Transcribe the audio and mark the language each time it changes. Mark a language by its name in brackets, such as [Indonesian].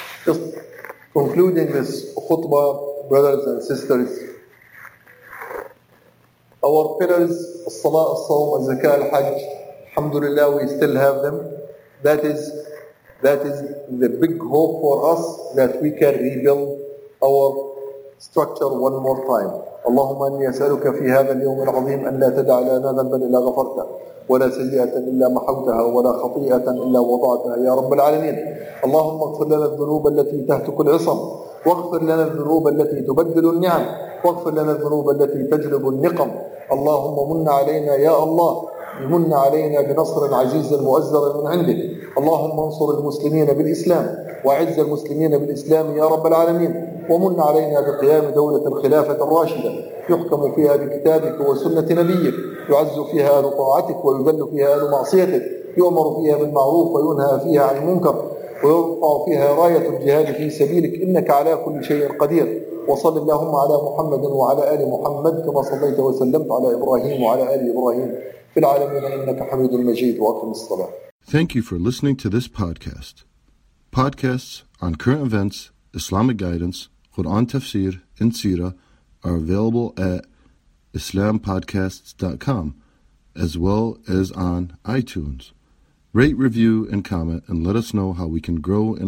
[English] Just concluding this khutbah, brothers and sisters, our pillars, [Arabic] الصَّلَاةُ الصَّوْمُ الزَّكَاةُ الْحَجِّ, [English] Alhamdulillah, we still have them. That is the big hope for us that we can rebuild our structure one more time. [Arabic] اللهم أني أسألك في هذا اليوم العظيم أن لا تدع لنا ذنبا إلا غفرته ولا سيئة إلا محوتها ولا خطيئة إلا وضعتها يا رب العالمين. اللهم اغفر لنا الذنوب التي تهتك العصم, واغفر لنا الذنوب التي تبدل النعم, واغفر لنا الذنوب التي تجلب النقم. اللهم من علينا يا الله, من علينا بنصر عزيز مؤزر من عندك. اللهم انصر المسلمين بالإسلام وعز المسلمين بالإسلام يا رب العالمين, ومن علينا بقيام دولة الخلافة الراشدة يحكم فيها بكتابك وسنة نبيك, يعز فيها أهل طاعتك ويذل فيها أهل معصيتك, يؤمر فيها بالمعروف وينهى فيها عن المنكر, ويرفع فيها راية الجهاد في سبيلك, إنك على كل شيء قدير. وصل اللهم على محمد وعلى آل محمد كما صليت وسلمت على إبراهيم وعلى آل إبراهيم في العالمين إنك حميد مجيد. وأقم الصلاة. [English] Thank you for listening to this podcast. Podcasts on current events, Islamic guidance, Quran tafsir, and seerah are available at islampodcasts.com as well as on iTunes. Rate, review, and comment and let us know how we can grow in